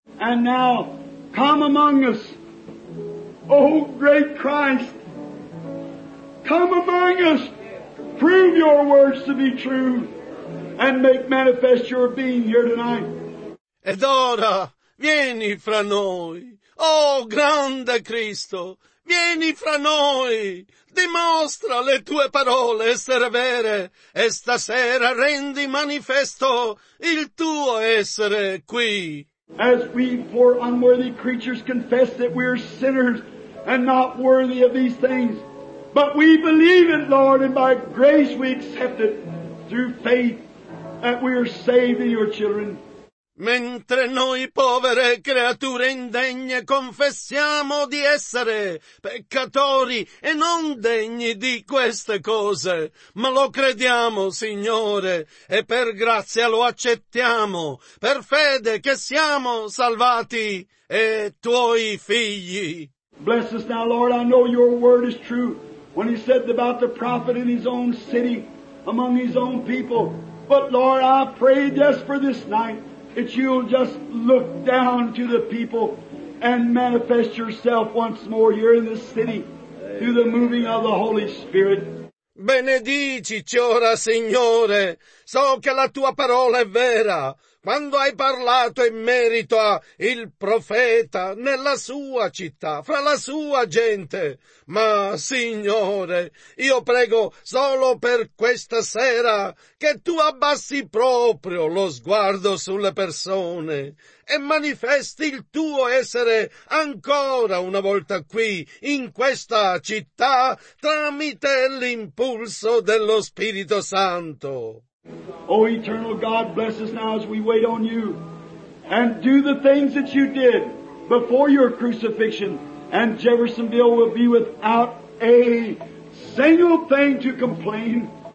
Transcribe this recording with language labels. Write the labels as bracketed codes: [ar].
[en] And now, come among us, O great Christ, come among us, prove your words to be true. And make manifest your being here tonight. [it] Ed ora, vieni fra noi. Oh, grande Cristo, vieni fra noi, dimostra le tue parole essere vere e stasera rendi manifesto il tuo essere qui. [en] As we poor unworthy creatures confess that we are sinners and not worthy of these things, but we believe it, Lord, and by grace we accept it through faith that we are saved in your children. [it] Mentre noi povere creature indegne confessiamo di essere peccatori e non degni di queste cose, ma lo crediamo, Signore, e per grazia lo accettiamo, per fede che siamo salvati e tuoi figli. [en] Bless us now, Lord, I know your word is true when he said about the prophet in his own city, among his own people. But Lord, I pray just for this night, that you'll just look down to the people and manifest yourself once more here in this city through the moving of the Holy Spirit. [it] Benedicici ora, Signore. So che la tua parola è vera. Quando hai parlato in merito a il profeta nella sua città, fra la sua gente. Ma, Signore, io prego solo per questa sera che tu abbassi proprio lo sguardo sulle persone e manifesti il tuo essere ancora una volta qui, in questa città, tramite l'impulso dello Spirito Santo. [en] Oh, eternal God, bless us now as we wait on you and do the things that you did before your crucifixion, and Jeffersonville will be without a single thing to complain.